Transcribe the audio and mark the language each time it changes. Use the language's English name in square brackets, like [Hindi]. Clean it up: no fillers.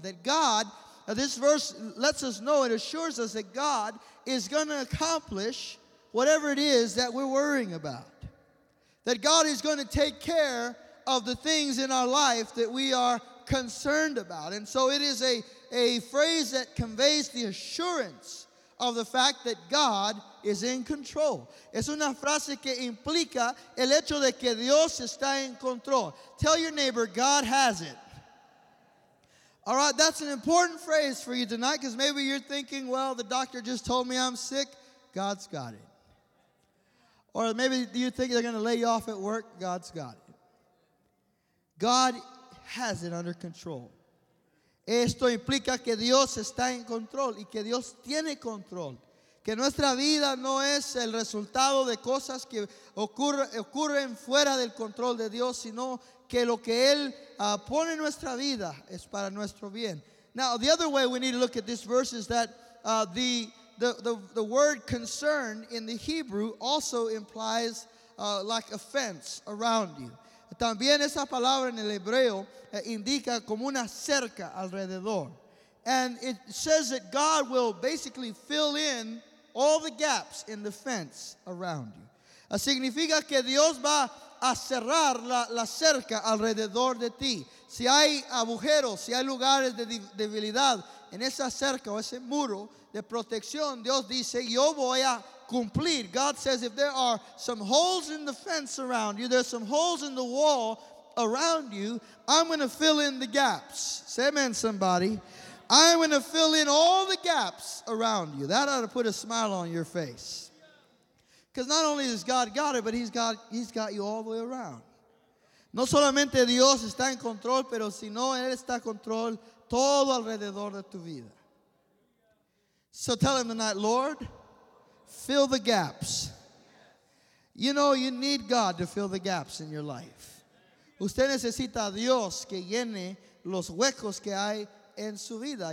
[English] That God, this verse lets us know, it assures us that God is going to accomplish whatever it is that we're worrying about. That God is going to take care of the things in our life that we are concerned about. And so it is a phrase that conveys the assurance of the fact that God is in control. [Spanish] Es una frase que implica el hecho de que Dios está en control. [English] Tell your neighbor, God has it. All right, that's an important phrase for you tonight, because maybe you're thinking, well, the doctor just told me I'm sick. God's got it. Or maybe you think they're going to lay you off at work. God's got it. God has it under control. [Spanish] Esto implica que Dios está en control y que Dios tiene control. Que nuestra vida no es el resultado de cosas que ocurren fuera del control de Dios, sino que lo que Él pone en nuestra vida es para nuestro bien. [English] Now, the other way we need to look at this verse is that the word concern in the Hebrew also implies like a fence around you. [Spanish] También esa palabra en el hebreo indica como una cerca alrededor. [English] And it says that God will basically fill in all the gaps in the fence around you. [Spanish] Significa que Dios va a cerrar la cerca alrededor de ti. Si hay agujeros, si hay lugares de debilidad en esa cerca o ese muro de protección, Dios dice, yo voy a cumplir. [English] God says, if there are some holes in the fence around you, there's some holes in the wall around you, I'm going to fill in the gaps. Say amen, somebody. I'm going to fill in all the gaps around you. That ought to put a smile on your face. Because not only has God got it, but he's got you all the way around. [Spanish] No solamente Dios está en control, pero sino Él está en control todo alrededor de tu vida. [English] So tell him tonight, Lord, fill the gaps. You know, you need God to fill the gaps in your life. [Spanish] Usted necesita a Dios que llene los huecos que hay en su vida.